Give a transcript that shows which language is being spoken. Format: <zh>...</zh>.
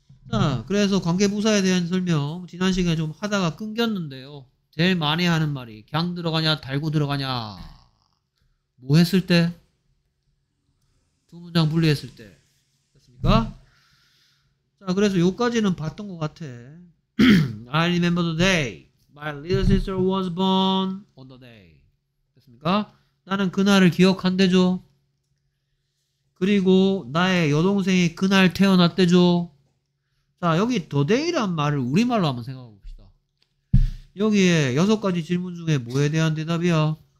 <ko>자, 그래서 관계부사에 대한 설명 지난 시간에 좀 하다가 끊겼는데요. 제일 많이 하는 말이 걍 들어가냐 달고 들어가냐. 뭐 했을 때? 두 문장 분리했을 때. 됐습니까? 자, 그래서 요까지는 봤던 것 같아.</ko> <en>I remember the day my little sister was born on the day.</en> <ko>됐습니까? 나는 그날을 기억한대죠. 그리고 나의 여동생이 그날 태어났대죠. 자, 여기 the day란 말을 우리말로 한번 생각해 봅시다. 여기에 여섯 가지 질문 중에 뭐에 대한 대답이야?</ko>